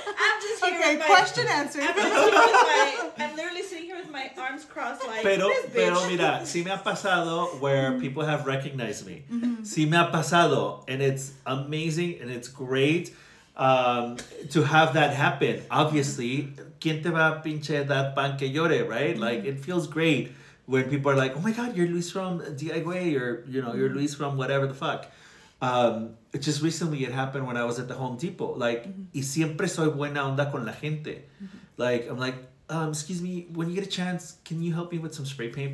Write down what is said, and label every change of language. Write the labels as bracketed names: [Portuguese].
[English] I'm just here. Okay, question answered. I'm literally sitting here with my arms crossed, like, [Spanish] pero, [English] this bitch. [Spanish] Pero mira, si me ha pasado [English] where people have recognized me. [Spanish] Si me ha pasado, [English] and it's amazing and it's great to have that happen. Obviously, [Spanish] ¿quién te va a pinche dar pan que llore, [English] right? Like, it feels great when people are like, oh my God, you're Luis from D.I.Y. or, you know, you're Luis from whatever the fuck. Just recently it happened when I was at the Home Depot, like, [Spanish] y siempre soy buena onda con la gente. [English] Like, I'm like, excuse me, when you get a chance, can you help me with some spray paint?